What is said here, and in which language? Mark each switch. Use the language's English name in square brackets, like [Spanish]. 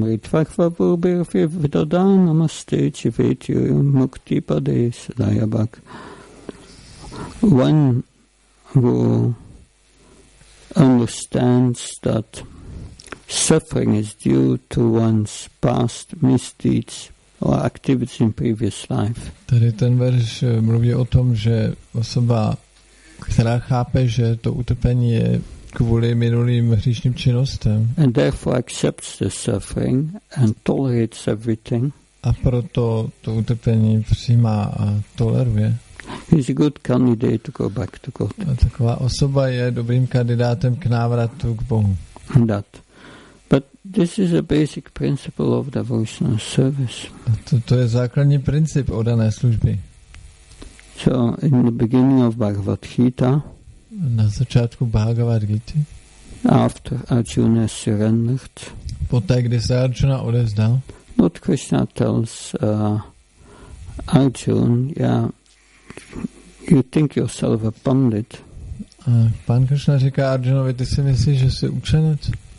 [English] One who understands that suffering is due to one's past misdeeds or activities in previous life. [Czech] Tady ten verš mluví o tom, že osoba, která chápe, že to utrpení je kvůli minulým hříšným činnostem, [English] and therefore accepts the suffering and tolerates everything, [Czech] a proto to utrpení přijímá a toleruje, [English] he's a good candidate to go back to God. [Czech] A taková osoba je dobrým kandidátem k návratu k Bohu. [English] That. But this is a basic principle of devotional service. [Czech] To je základní princip oddané služby. [English] So in the beginning of Bhagavad Gita, [Czech] na začátku Bhagavad Gita, [English] after Arjuna surrendered, [Czech] poté, když se Arjuna odevzdal, [English] Lord Krishna tells Arjuna, yeah, You think yourself a pundit. [Czech] A pan Krishna říká Arjunovi, ty si myslíš, že jsi učenec?